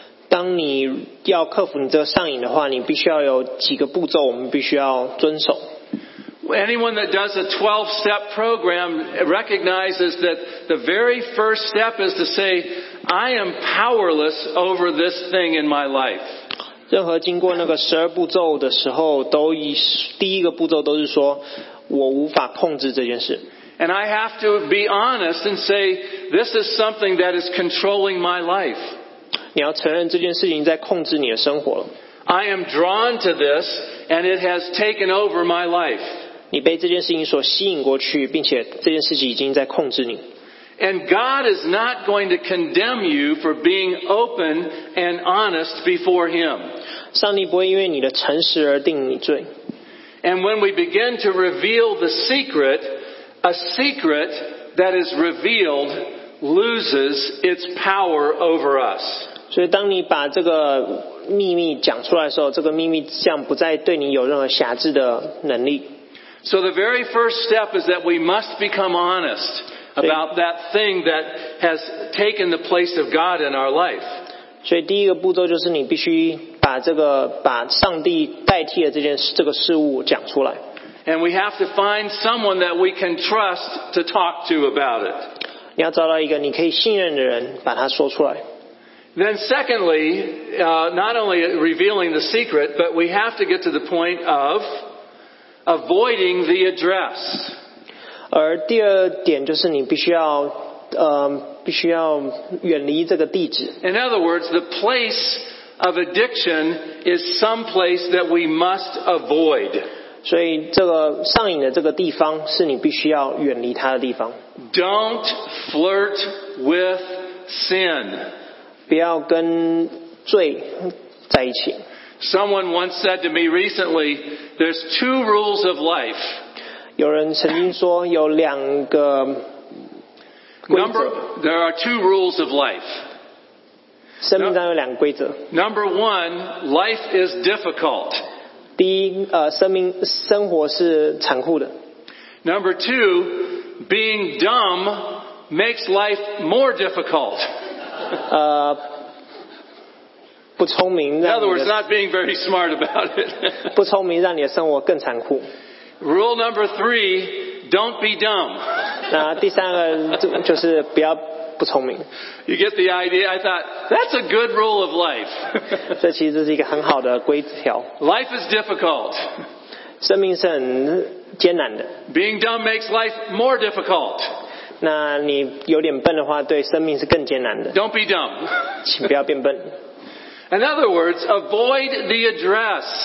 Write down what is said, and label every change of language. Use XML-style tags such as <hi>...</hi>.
<zh>当你要克服你这个上瘾的话，你必须要有几个步骤，我们必须要遵守。</zh> <en>Anyone that does a 12-step program recognizes that the very first step is to say, I am powerless over this thing in my life.</en> <zh>任何经过那个十二步骤的时候，都第一个步骤都是说，我无法控制这件事。</zh> <en>And I have to be honest and say, this is something that is controlling my life.</en> <zh>你要承认这件事情在控制你的生活。</zh> <en>I am drawn to this, and it has taken over my life.</en> <zh>你被这件事情所吸引过去，并且这件事情已经在控制你。</zh> <en>And God is not going to condemn you for being open and honest before Him.</en> <zh>上帝不会因为你的诚实而定你罪。</zh> <en>And when we begin to reveal the secret, a secret that is revealed loses its power over us.</en> <zh>所以当你把这个秘密讲出来的时候，这个秘密将不再对你有任何辖制的能力。</zh> <en>So the very first step is that we must become honest about that thing that has taken the place of God in our life.</en> <zh>所以第一个步骤就是你必须把这个把上帝代替的这个事物讲出来。</zh> <en>And we have to find someone that we can trust to talk to about it.</en> <zh>你要找到一个你可以信任的人把它说出来。</zh> <en>Then secondly, not only revealing the secret, but we have to get to the point of... Avoiding the address.</en> <zh>而第二点就是你必须要，必须要远离这个地址。</zh> <en>In other words, the place of addiction is some place that we must avoid.</en> <zh>所以这个上瘾的这个地方是你必须要远离它的地方。</zh> <en>Don't flirt with sin.</en> <zh>不要跟罪在一起。</zh> <en>Someone once said to me recently, there's two rules of life.</en> <zh>有人曾经说有两个规则。</zh> <en>There are two rules of life.</en> <zh>生命中有两个规则。</zh> <en>Number one, life is difficult.</en> <zh>第一，生活是残酷的。</zh> <en>Number two, being dumb makes life more difficult.</en> <zh>不聪明</zh> <en>In other words, not being very smart about it.</en> <zh>不聪明让你的生活更残酷。</zh> <en>Rule number three, don't be dumb.</en> <zh>那第三个就是不要不聪明。</zh> <en>You get the idea? I thought, that's a good rule of life.</en> <zh>这其实是一个很好的规条。</zh> <en>Life is difficult.</en> <zh>生命是很艰难的。</zh> <en>Being dumb makes life more difficult.</en> <zh>那你有点笨的话，对生命是更艰难的。</zh> <en>Don't be dumb.</en> <zh>请不要变笨。</zh> <en>In other words, avoid the address.</en>